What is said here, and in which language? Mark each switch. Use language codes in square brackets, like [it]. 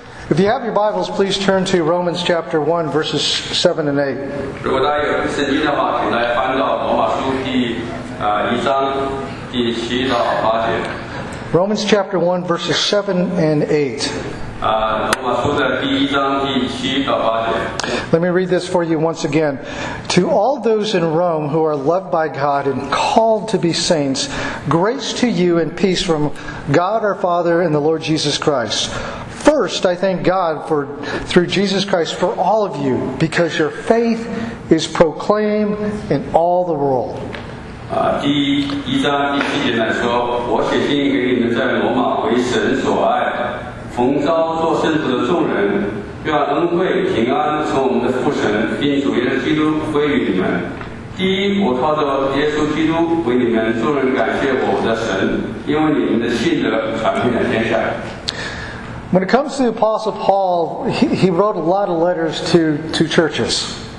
[en] If you have your Bibles, please turn to Romans chapter 1, verses 7 and 8. [zh] 如果大家有圣经的话，请来翻到罗马书第一章第七到八节。 [en] Romans chapter 1, verses 7 and 8. [zh] 罗马书的第一章第七到八节。 [en] Let me read this for you once again. To all those in Rome who are loved by God and called to be saints, grace to you and peace from God our Father and the Lord Jesus Christ. First, I thank God through Jesus Christ for all of you, because your faith is proclaimed in all the world. [zh] 第一章第七节来说，我写信给你们在罗马为神所爱，奉召做圣徒的众人，愿恩惠平安从我们的父神并主耶稣基督归于你们。第一，我靠着耶稣基督为你们众人感谢我的神，因为你们的信德传遍了天下。 [en] When it comes to the Apostle Paul, he wrote a lot of letters to churches.